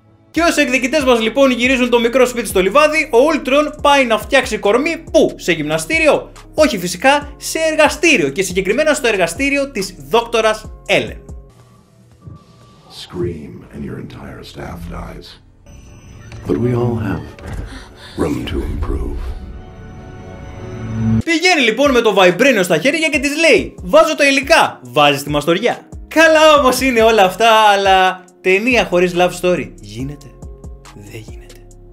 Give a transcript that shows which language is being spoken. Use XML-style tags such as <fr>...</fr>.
<el>Και όσοι εκδικητές μας λοιπόν γυρίζουν το μικρό σπίτι στο λιβάδι, ο Ultron πάει να φτιάξει κορμί πού? Σε γυμναστήριο? Όχι φυσικά, σε εργαστήριο και συγκεκριμένα στο εργαστήριο της δόκτωρας Ellen.</el> <en>Scream and your entire staff dies. But we all have room to improve.</en> <el>Πηγαίνει λοιπόν με το Vibranium στα χέρια και της λέει: «Βάζω τα υλικά, βάζεις τη μαστοριά». Καλά όμως είναι όλα αυτά, αλλά ταινία χωρίς love story γίνεται, δεν γίνεται.</el>